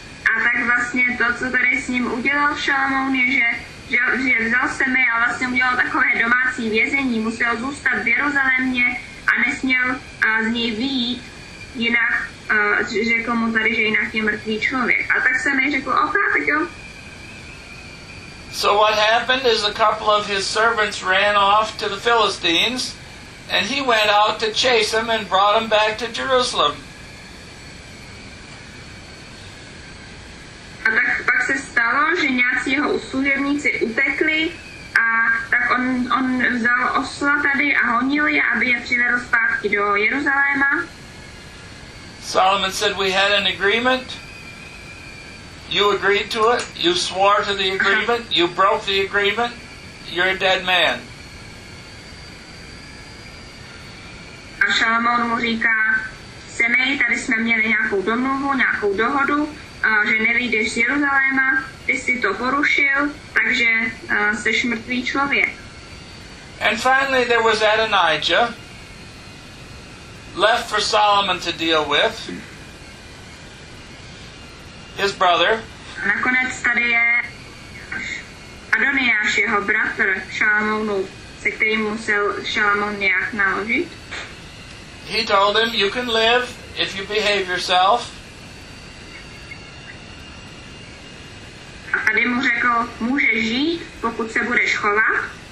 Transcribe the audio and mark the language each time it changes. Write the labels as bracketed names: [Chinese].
[Czech] A tak vlastně to, co tady s ním udělal Šalamoun, je, že vzal se mi a vlastně udělal takové domácí vězení. Musel zůstat v Jeruzalémě a nesměl z něj vyjít, jinak řekl mu tady, že jinak je mrtvý člověk. A tak se mi řekl, tak jo. [English] So what happened is a couple of his servants ran off to the Philistines and he went out to chase them and brought them back to Jerusalem. [Czech] A tak pak se stalo, že nějací jeho služebníci utekli a tak on vzal osla tady a honil je, aby je přivedl zpátky do Jeruzaléma. [English] Solomon said, "We had an agreement. You agreed to it. You swore to the agreement. You broke the agreement. You're a dead man." [Czech] A Šalamoun mu říká, Semej, tady jsme měli nějakou domluvu, nějakou dohodu, že nevyjdeš z Jeruzaléma, ty jsi to porušil, takže jsi mrtvý člověk. [English] And finally there was Adonijah, left for Solomon to deal with. His brother. [Czech] Nakonec tady je Adoniáš, jeho bratr Šalamounu, se kterým musel Šalamoun nějak naložit. [English] He told him, "You can live if you behave yourself." [Czech] A tady mu řekl, "Můžeš žít, pokud se budeš chovat."